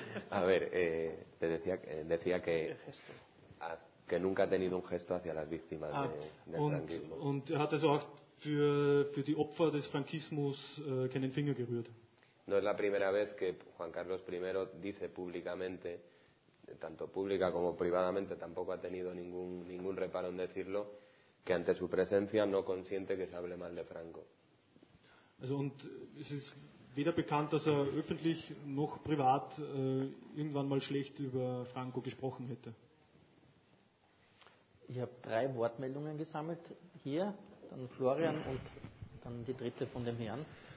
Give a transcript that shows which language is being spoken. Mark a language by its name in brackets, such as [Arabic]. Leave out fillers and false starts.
[Spanish] A ver, te decía que nunca ha tenido un gesto hacia las víctimas del franquismo. [German] Und er hat also auch für die Opfer des Frankismus keinen Finger gerührt. [Spanish] No es la primera vez que Juan Carlos I dice públicamente, tanto pública como privadamente, tampoco ha tenido ningún reparo en decirlo, que ante su presencia no consiente que se hable mal de Franco. [German] Also, und es ist weder bekannt, dass er öffentlich noch privat irgendwann mal schlecht über Franco gesprochen hätte. Ich habe drei Wortmeldungen gesammelt hier, dann Florian und dann die dritte von dem Herrn.